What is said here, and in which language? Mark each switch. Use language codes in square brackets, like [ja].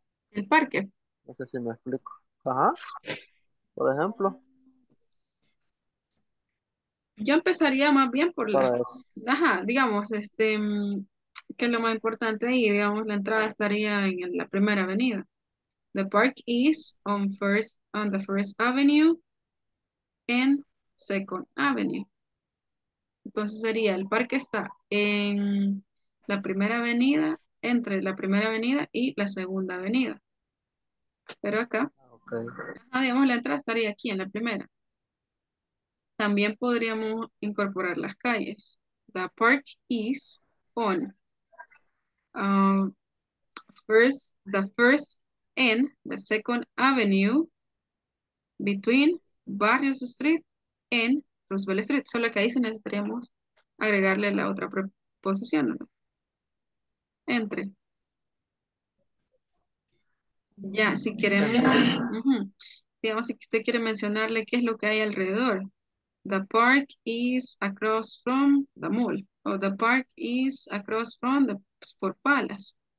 [es] El parque. No sé si me explico. Ajá. Por ejemplo. Yo empezaría más bien por la, ajá, digamos, este, que lo más importante y digamos, la entrada estaría en la primera avenida. [en] The park is on the first avenue and second avenue. [es] Entonces sería, el parque está en la primera avenida, entre la primera avenida y la segunda avenida. Pero acá, okay. Ajá, digamos, la entrada estaría aquí en la primera. También podríamos incorporar las calles. [en] The park is on the first and the second avenue between Barrios Street and Roosevelt Street. [es] Solo que ahí sí necesitaríamos agregarle la otra preposición, ¿no? Entre. Ya, si queremos, digamos, si usted quiere mencionarle qué es lo que hay alrededor. [en] The park is across from the mall. Or the park is across from the Sport Palace.